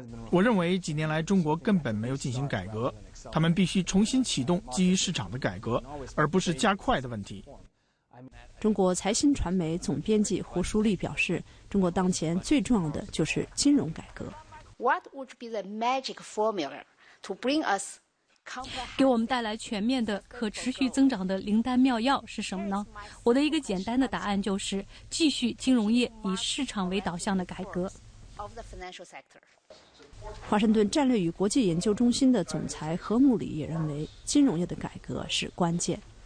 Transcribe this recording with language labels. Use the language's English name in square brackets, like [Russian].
[Chinese] 我认为几年来中国根本没有进行改革，他们必须重新启动基于市场的改革，而不是加快的问题。中国财新传媒总编辑胡舒立表示，中国当前最重要的就是金融改革。 [English] What would be the magic formula to bring us？ [Chinese] 给我们带来全面的可持续增长的灵丹妙药是什么呢？我的一个简单的答案就是继续金融业以市场为导向的改革。 [English] of the financial sector. [Chinese] 华盛顿战略与国际研究中心的总裁何穆里也认为金融业的改革是关键。